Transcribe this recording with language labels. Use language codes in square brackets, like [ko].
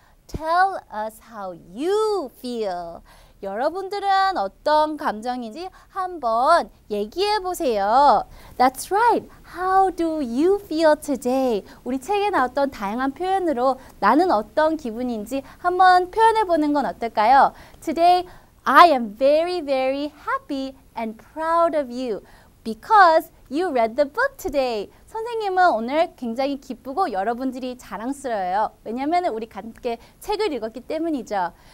[en] Tell us how you feel. [ko] 여러분들은 어떤 감정인지 한번 얘기해 보세요. [en] That's right. How do you feel today? [ko] 우리 책에 나왔던 다양한 표현으로 나는 어떤 기분인지 한번 표현해 보는 건 어떨까요? [en] Today, I am very, very happy and proud of you because you read the book today. [ko] 선생님은 오늘 굉장히 기쁘고 여러분들이 자랑스러워요. 왜냐하면 우리 함께 책을 읽었기 때문이죠.